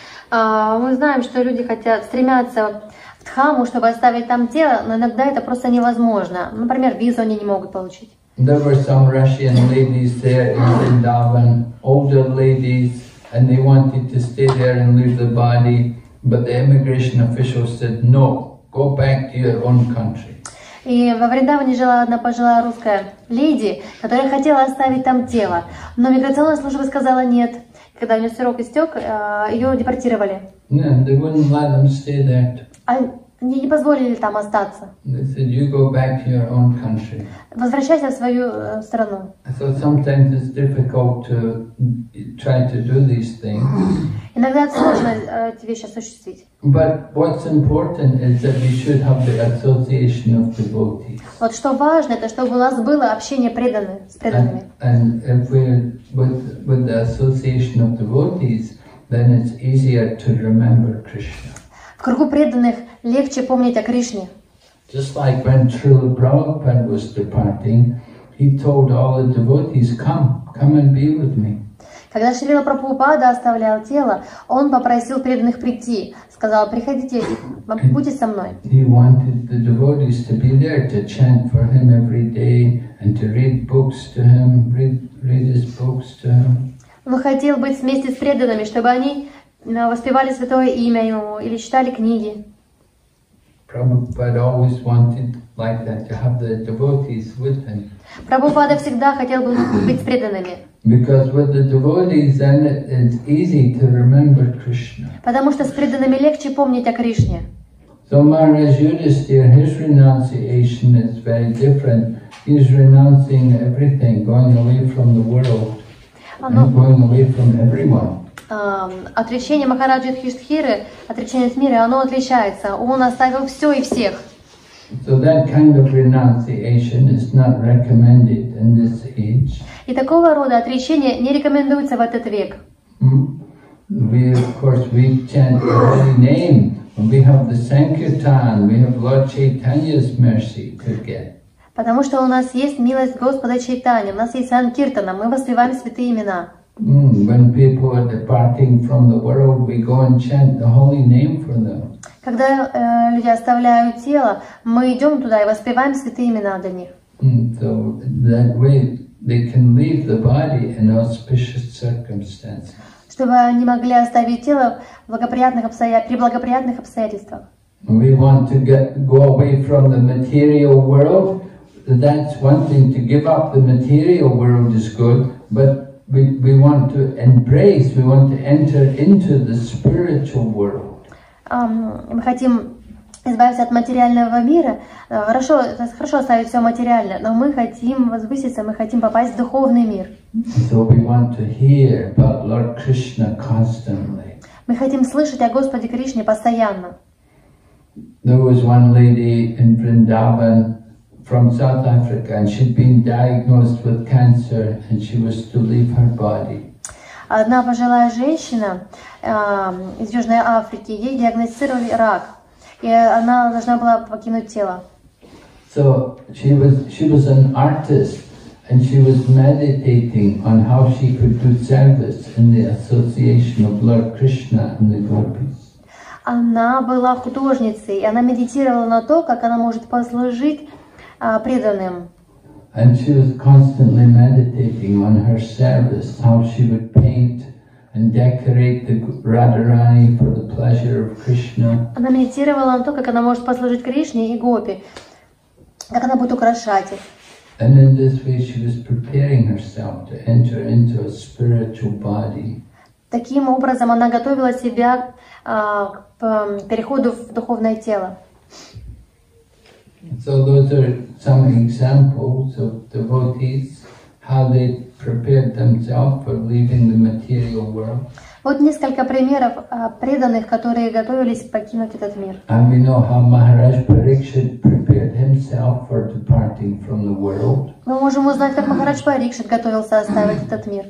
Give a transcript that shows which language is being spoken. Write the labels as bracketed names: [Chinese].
[Russian] Мы знаем, что люди хотят стремятся в Дхаму, чтобы оставить там тело, но иногда это просто невозможно. Например, визу они не могут получить. [English] There were some Russian ladies there in Vrindavan, older ladies, and they wanted to stay there and leave the body, but the immigration officials said, no, go back to your own country. [Russian] И во Вриндаване жила одна пожилая русская леди, которая хотела оставить там тело, но миграционная служба сказала нет. Когда у нее срок истек, ее депортировали. [English] No, they wouldn't let them stay there. [Russian] Они не позволили там остаться. [English] They said, you go back to your own country. [Russian] Возвращайся в свою страну. [English] So sometimes it's difficult to try to do these things. [Russian] Иногда сложно эти вещи осуществить. [English] But what's important is that we should have the association of devotees. [Russian] Вот что важно, это чтобы у нас было общение с преданными. [English] And if we with the association of devotees, then it's easier to remember Krishna. [Russian] В кругу преданных легче помнить о Кришне. [English] Just like when Srila Prabhupada was departing, he told all the devotees, come and be with me. [Russian] Когда Шрила Прабхупада оставлял тело, он попросил преданных прийти, сказал, приходите, будьте со мной. [English] He wanted the devotees to be there to chant for him every day and to read books to him, read his books to him. [Russian] Он хотел быть вместе с преданными, чтобы они воспевали святое имя ему или читали книги. [English] Prabhupada always wanted like that to have the devotees with him. [Russian] Прабхупада всегда хотел бы быть преданными. [English] Because with the devotees, then it's easy to remember Krishna. [Russian] Потому что с преданными легче помнить о Кришне. [English] So Maharaj Yudhisthira, his renunciation is very different. He's renouncing everything, going away from the world, and going away from everyone. [Russian] Отречение Махараджи Юдхиштхиры, отречение от мира, оно отличается. Он оставил все и всех. [English] So that kind of renunciation is not recommended in this age. [Russian] И такого рода отречение не рекомендуется в этот век. [English] We, of course, we chant the holy name. We have the Sankirtan, we have Lord Chaitanya's mercy to get. [Russian] Потому что у нас есть милость Господа Чайтани, у нас есть Санкиртана, мы воспеваем святые имена. [English] When people are departing from the world, we go and chant the holy name for them. [Russian] Когда люди оставляют тело, мы идем туда и воспеваем святые имена для них. [English] So that way they can leave the body in auspicious circumstances. [Russian] Чтобы они могли оставить тело в благоприятных при благоприятных обстоятельствах. [English] We want to get, go away from the material world. That's one thing, to give up the material world is good, but we want to embrace, we want to enter into the spiritual world. [Russian] Мы хотим избавиться от материального мира. Хорошо оставить все материальное, но мы хотим возвыситься, мы хотим попасть в духовный мир. [English] So we want to hear about Lord Krishna constantly. [Russian] Мы хотим слышать о Господе Кришне постоянно. [English] There was one lady in Vrindavan from South Africa, and she'd been diagnosed with cancer, and she was to leave her body. [Russian] Одна пожилая женщина из Южной Африки, ей диагностировали рак, и она должна была покинуть тело. [English] So she was an artist, and she was meditating on how she could do service in the association of Lord Krishna and the gopis. [Russian] Она была художницей, и она медитировала на то, как она может послужить преданным. [English] And she was constantly meditating on her service, how she would paint and decorate the Radharani for the pleasure of Krishna. [Russian] Она медитировала на то, как она может послужить Кришне и гопи, как она будет украшать их. [English] And in this way she was preparing herself to enter into a spiritual body. [Russian] Таким образом она готовила себя к переходу в духовное тело. [English] So those are some examples of devotees, how they prepared themselves for leaving the material world. [Russian] Вот несколько примеров преданных, которые готовились покинуть этот мир. [English] And we know how Maharaj Parikshit prepared himself for departing from the world. [Russian] Мы можем узнать, как Махарадж Парикшит готовился оставить этот мир.